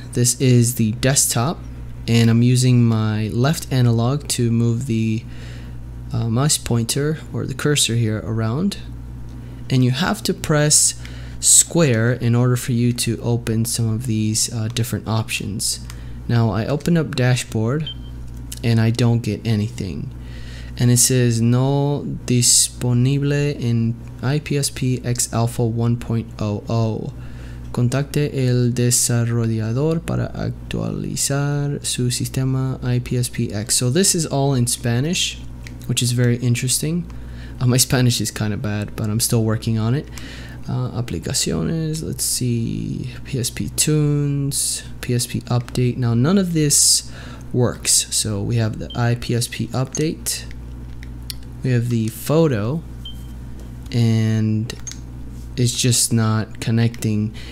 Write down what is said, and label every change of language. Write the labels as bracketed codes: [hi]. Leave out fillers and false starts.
[en] This is the desktop, and I'm using my left analog to move the mouse pointer or the cursor here around, and you have to press square in order for you to open some of these different options. Now I open up dashboard and I don't get anything, and it says [es] no disponible [en] in iPSP X Alpha 1.00. [es] Contacte el desarrollador para actualizar su sistema iPSP X. [en] So this is all in Spanish, which is very interesting. My Spanish is kind of bad, but I'm still working on it. Aplicaciones, let's see, PSP Tunes, PSP Update. Now none of this works. So we have the iPSP Update, we have the photo, and it's just not connecting.